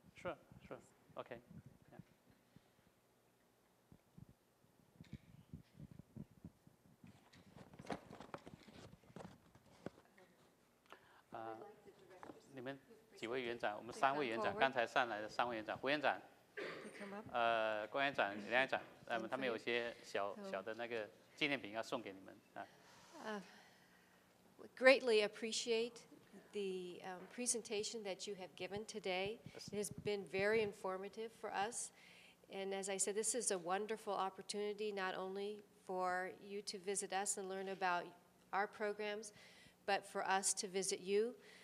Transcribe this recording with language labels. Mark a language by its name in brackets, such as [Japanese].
[English] Sure. Okay. Yeah. We would like the directors to come up. You can come up. [Chinese] Hu院长, 他们有些小的那个纪念品要送给你们啊。 [English] We greatly appreciate the presentation that you have given today. It has been very informative for us. And as I said, this is a wonderful opportunity not only for you to visit us and learn about our programs, but for us to visit you.